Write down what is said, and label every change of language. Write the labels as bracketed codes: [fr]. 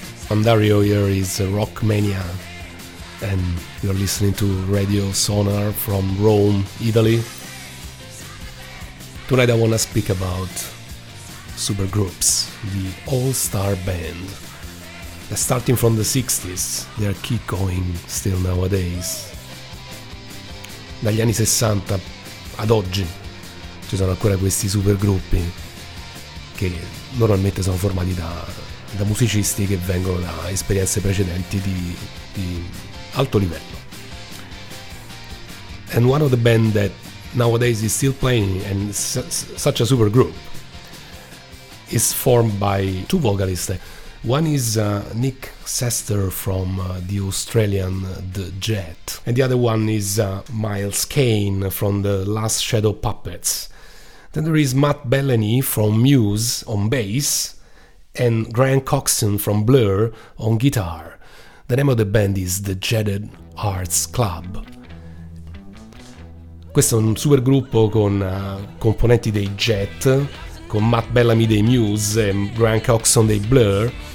[en] I'm Dario, here is Rock Mania, and you're listening to Radio Sonar from Rome, Italy. Tonight I wanna speak about supergroups, the all-star band. Starting from the 60s, they keep going still nowadays. [it] Dagli anni 60 ad oggi ci sono ancora questi supergruppi che normalmente sono formati da musicisti che vengono da esperienze precedenti di alto livello. [en] And one of the band that nowadays is still playing and such a super group is formed by two vocalists. One is Nick Sester from the Australian The Jet, and the other one is Miles Kane from The Last Shadow Puppets. Then there is Matt Bellany from Muse on bass and Grant Coxon from Blur on guitar. The name of the band is The Jaded Arts Club. [it] Questo è un super gruppo con componenti dei Jet, con Matt Bellamy dei Muse e Grant Coxon dei Blur.